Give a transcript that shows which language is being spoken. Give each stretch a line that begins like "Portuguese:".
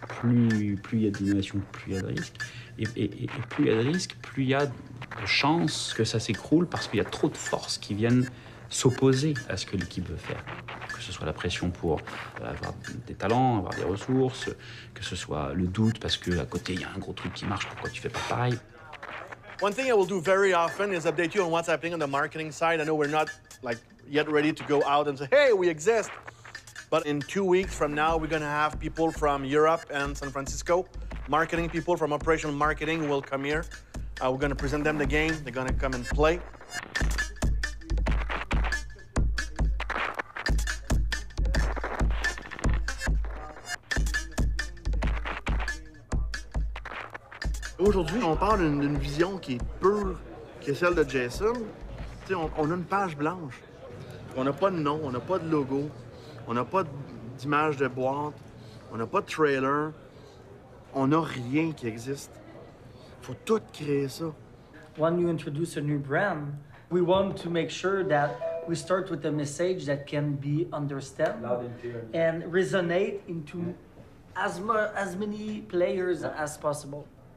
French: Plus il y a d'innovation, plus il y a de risque. Et plus il y a de risque, plus il y a de chances que ça s'écroule parce qu'il y a trop de forces qui viennent s'opposer à ce que l'équipe veut faire. Que ce soit la pression pour avoir des talents, avoir des ressources, que ce soit le doute parce qu'à côté, il y a un gros truc qui marche, pourquoi tu fais pas pareil?
English: One thing I will do very often is update you on what's happening on the marketing side. I know we're not like yet ready to go out and say, hey, we exist. But in 2 weeks from now, we're gonna have people from Europe and San Francisco. Marketing people from operational marketing will come here. We're gonna present them the game. They're gonna come and play.
French: Aujourd'hui, on parle d'une vision qui est pure, qui est celle de Jason. Tu sais, on a une page blanche. On n'a pas de nom, on n'a pas de logo, on n'a pas d'image de boîte, on n'a pas de trailer. On n'a rien qui existe. Faut tout créer ça.
English: When you introduce a new brand, we want to make sure that we start with a message that can be understood and resonate into as many players as possible.